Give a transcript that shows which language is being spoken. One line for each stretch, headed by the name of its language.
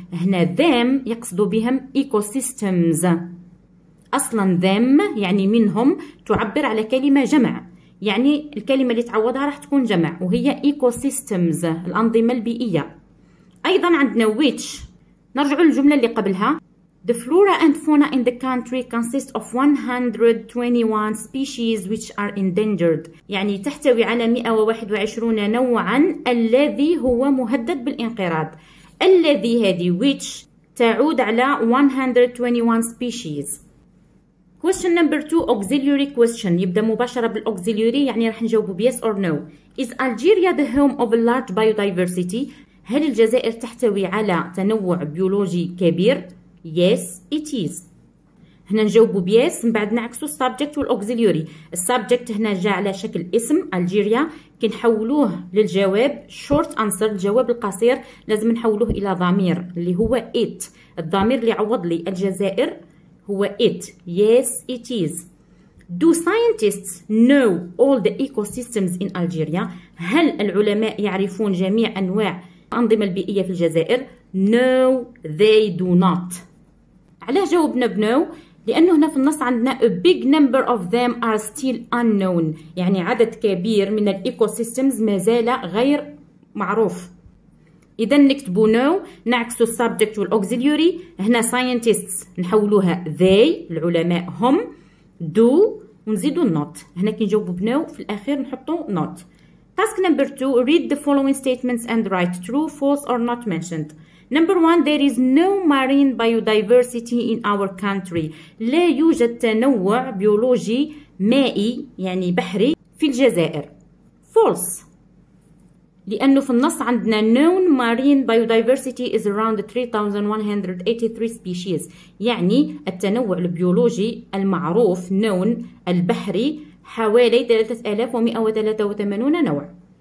Arabic: هنا them يقصد بهم ecosystems. أصلا them يعني منهم، تعبر على كلمة جمع، يعني الكلمة اللي تعوضها راح تكون جمع، وهي ecosystems، الأنظمة البيئية. أيضا عندنا which، نرجع للجملة اللي قبلها.
English: The flora and fauna in the country consists of 121 species which are endangered.
Arabic: يعني تحتوي على 121 نوعا الذي هو مهدد بالانقراض. الذي هذه which تعود على 121 species.
English: Question number 2 auxiliary question.
Arabic: يبدأ مباشرة بالauxiliary يعني رح نجاوبه بيس أور نو.
English: Is Algeria the home of a large biodiversity?
Arabic: هل الجزائر تحتوي على تنوع بيولوجي كبير؟
English: Yes, it is.
Arabic: هنا نجاوبو بيس من بعد نعكسو السابجكت والأوكزيليوري. السابجكت هنا جاء على شكل اسم ألجيريا، كي نحولوه للجواب
English: short answer
Arabic: الجواب القصير لازم نحولوه إلى ضمير اللي هو it. الضمير اللي عوض لي الجزائر هو it.
English: Yes, it is. Do scientists know all the ecosystems in Algeria?
Arabic: هل العلماء يعرفون جميع أنواع الأنظمة البيئية في الجزائر؟
English: No, they do not.
Arabic: علاه جاوبنا بنو؟ لأنه هنا في النص عندنا
English: A big number of them are still unknown.
Arabic: يعني عدد كبير من الإيكوسيستمز ما زال غير معروف. إذا نكتبو نو نعكسو السبجكت والأوكزيليوري. هنا scientists نحولوها they العلماء هم do ونزيدو not. هنا كي نجاوبو بنو في الأخير نحطو not.
English: Task number 2 read the following statements and write true, false or not mentioned. Number 1 there is no marine biodiversity in our country.
Arabic: لا يوجد تنوع بيولوجي مائي يعني بحري في الجزائر.
English: False.
Arabic: لأنه في النص عندنا
English: known marine biodiversity is around 3183 species.
Arabic: يعني التنوع البيولوجي المعروف known البحري حوالي 3183 نوع.